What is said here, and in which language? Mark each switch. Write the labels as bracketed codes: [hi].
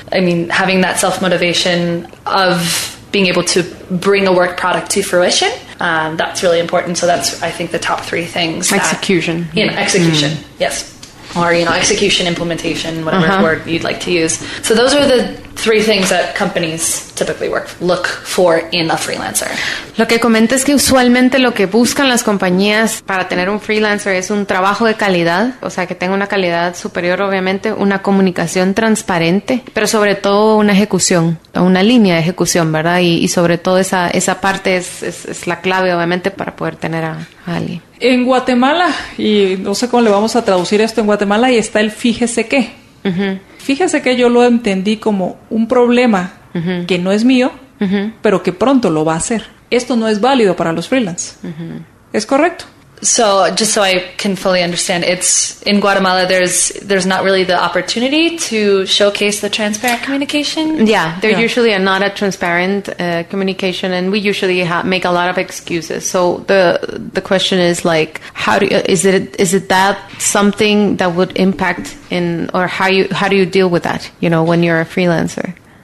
[en] I mean, having that self-motivation of being able to bring a work product to fruition, that's really important. So that's, I think, the top three things. Execution. That, you know, execution, mm. yes. Or, you know, execution, implementation, whatever uh-huh. word you'd like to use. So those are the three things that companies typically look for in a freelancer. [es] Lo que comenta es que usualmente lo que buscan las compañías para tener un freelancer es un trabajo de calidad, o sea, que tenga una calidad superior, obviamente, una comunicación transparente, pero sobre todo una ejecución, una línea de ejecución, ¿verdad? Y sobre todo esa parte es la clave, obviamente, para poder tener a alguien. En Guatemala, y no sé cómo le vamos a traducir esto, en Guatemala y está el fíjese qué. Uh-huh. Fíjese que yo lo entendí como un problema uh-huh. que no es mío, uh-huh. pero que pronto lo va a hacer. Esto no es válido para los freelance. Uh-huh. ¿Es correcto? [en] So, just so I can fully understand, it's in Guatemala, there's not really the opportunity to showcase the transparent communication. Yeah, they're yeah. usually not a transparent communication, and we usually make a lot of excuses. So, the question is, like, is it that something that would impact in, or how do you deal with that, you know, when you're a freelancer?